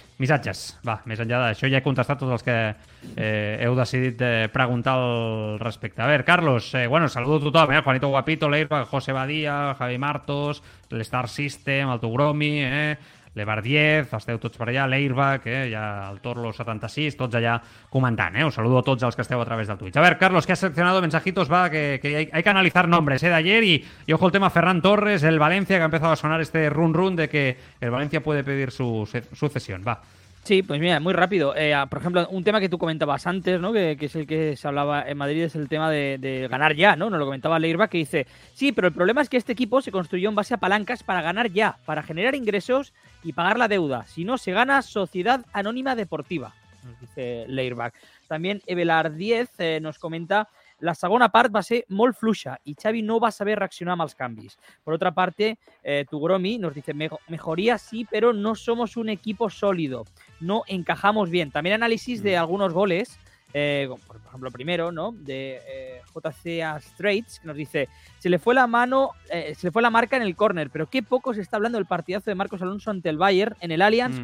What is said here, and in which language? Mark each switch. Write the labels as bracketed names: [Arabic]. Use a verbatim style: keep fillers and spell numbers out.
[Catalan] Missatges, va, més enllà d'això ja he contestat tots els que eh, heu decidit eh, preguntar al respecte. A veure, Carlos, eh, bueno, saludo a tothom, eh? Juanito Guapito, l'Eirba, José Badía, Javi Martos, l'Star System, el Tugromi, eh? l'Ebar diez, esteu tots per allà, l'Airbag, eh? ja el Torlo setanta-sis, tots allà comentant, eh? [Spanish] Os saludo [Catalan] a tots els que esteu a través del Twitch. [Spanish] A ver, Carlos, que has seleccionado mensajitos, va, que, que hay, hay que analizar nombres, eh, de ayer, y, y ojo el tema Ferran Torres, el Valencia, que ha empezado a sonar este run run de que el Valencia puede pedir su sucesión, va. Sí, pues mira, muy rápido. Eh, por ejemplo, un tema que tú comentabas antes, ¿no? Que, que es el que se hablaba en Madrid, es el tema de, de ganar ya, ¿no? Nos lo comentaba Leiva, que dice, sí, pero el problema es que este equipo se construyó en base a palancas para ganar ya, para generar ingresos y pagar la deuda. Si no, se gana Sociedad Anónima Deportiva, nos dice Leiva. También Evelar diez eh, nos comenta, [Catalan] la segona part va ser molt fluixa i Xavi no va saber reaccionar amb els canvis. [Spanish] Per otra parte, eh, Tugromi nos dice, mejoría sí, pero no somos un equipo sólido, no encajamos bien. También análisis de algunos goles, eh, por ejemplo, primero, ¿no? De eh, J C A Straits, que nos dice, se le fue la mano, eh, se le fue la marca en el córner, pero qué poco se está hablando del partidazo de Marcos Alonso ante el Bayern en el Allianz, mm.